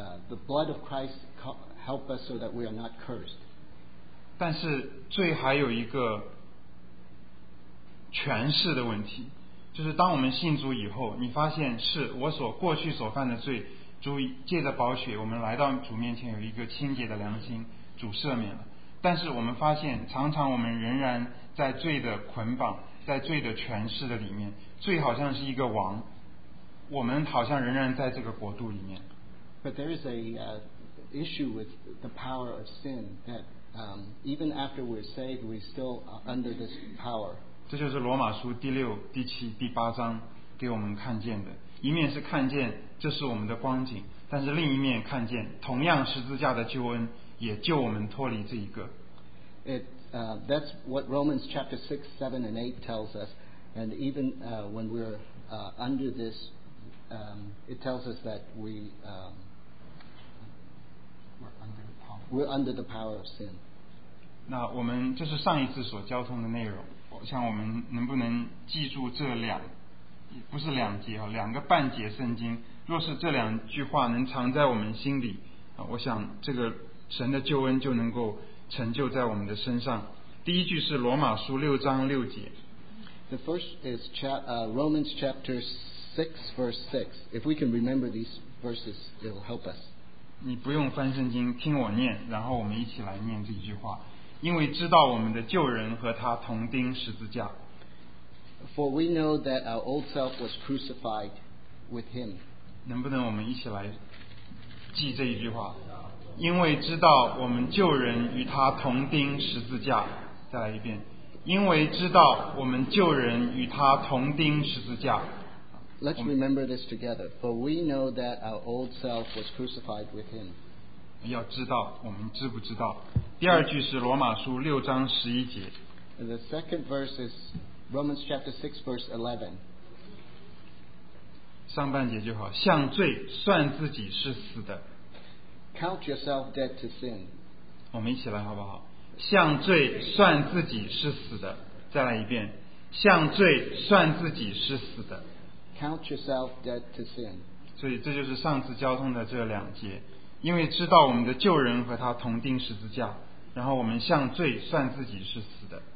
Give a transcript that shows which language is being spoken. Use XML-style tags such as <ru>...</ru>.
<en>The blood of Christ help us so that we are not cursed.</en> <zh>但是罪还有一个诠释的问题，就是当我们信主以后，你发现是我所过去所犯的罪，主借着宝血，我们来到主面前有一个清洁的良心，主赦免了。但是我们发现，常常我们仍然在罪的捆绑，在罪的诠释的里面，罪好像是一个王。我们好像仍然在这个国度里面。</zh> <en>But there is a issue with the power of sin that even after we're saved, we're still under this power.</en> <zh>这就是罗马书第六、第七、第八章给我们看见的。一面是看见这是我们的光景，但是另一面看见同样十字架的救恩也救我们脱离这一个。</zh> <en>It, that's what Romans chapter 6, 7 and 8 tells us. And even when we're under this, it tells us that we're under the power of sin.</en> <zh>那我们这是上一次所交通的内容，我想我们能不能记住这两，不是两节，两个半节圣经，若是这两句话能藏在我们心里，我想这个神的救恩就能够成就在我们的身上。第一句是罗马书六章六节。</zh> <en>The first is Romans chapter 6 verse 6. If we can remember these verses, it will help us.</en> <zh>你不用翻圣经，听我念，然后我们一起来念这句话。因为知道我们的旧人和他同钉十字架。</zh> <en>For we know that our old self was crucified with him.</en> <zh>能不能我们一起来记这一句话？因为知道我们旧人与他同钉十字架。再来一遍。因为知道我们旧人与他同钉十字架。</zh> <en>Let's remember this together. For we know that our old self was crucified with him.</en> <zh>要知道，我们知不知道？第二句是罗马书六章十一节。</zh> <en>The second verse is Romans chapter 6 verse 11.</en> <zh>上半节就好，向罪算自己是死的。</zh> <en>Count yourself dead to sin.</en> <zh>我们一起来好不好？向罪算自己是死的。再来一遍，向罪算自己是死的。</zh> <en>Count yourself dead to sin.</en> <zh>所以这就是上次交通的这两节，因为知道我们的旧人和他同钉十字架，然后我们向罪算自己是死的。</zh>